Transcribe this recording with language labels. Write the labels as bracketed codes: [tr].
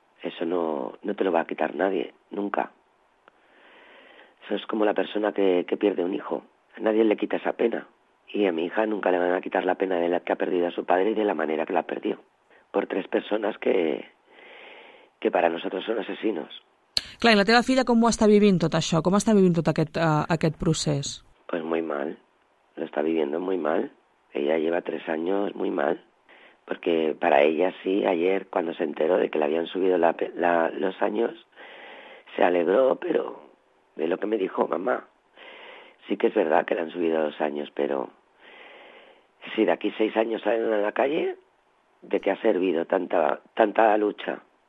[es] Eso no te lo va a quitar nadie, nunca. Eso es como la persona que pierde un hijo. A nadie le quita esa pena y a mi hija nunca le van a quitar la pena de la que ha perdido a su padre y de la manera que la perdió, por 3 personas que para nosotros son asesinos. [ca] Clar, i la teva filla com ho està vivint tot això? Com està vivint tot aquest procés? [es] Pues muy mal. Lo está viviendo muy mal. Ella lleva 3 años muy mal. Porque para ella sí, ayer, cuando se enteró de que le habían subido los años, se alegró, pero de lo que me dijo mamá. Sí que es verdad que le han subido 2 años, pero si de aquí 6 años salen a la calle, ¿de qué ha servido tanta lucha?